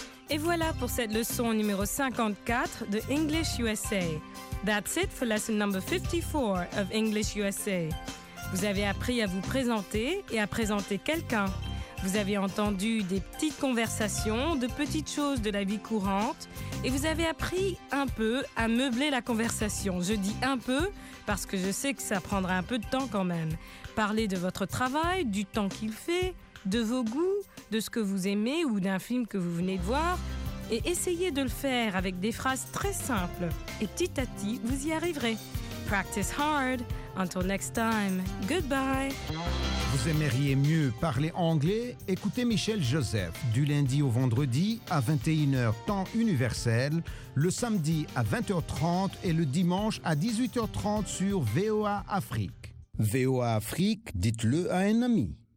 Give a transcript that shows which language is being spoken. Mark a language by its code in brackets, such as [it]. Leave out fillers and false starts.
[fr] Et voilà pour cette leçon numéro 54 de English USA. [en] That's it for lesson number 54 of English USA. [fr] Vous avez appris à vous présenter et à présenter quelqu'un. Vous avez entendu des petites conversations, de petites choses de la vie courante et vous avez appris un peu à meubler la conversation. Je dis un peu parce que je sais que ça prendra un peu de temps quand même. Parler de votre travail, du temps qu'il fait, de vos goûts, de ce que vous aimez ou d'un film que vous venez de voir. Et essayez de le faire avec des phrases très simples. Et petit à petit, vous y arriverez. [en] Practice hard. Until next time, goodbye. [fr] Vous aimeriez mieux parler anglais? Écoutez Michel Joseph du lundi au vendredi à 21h temps universel, le samedi à 20h30 et le dimanche à 18h30 sur VOA Afrique. VOA Afrique, dites-le à un ami.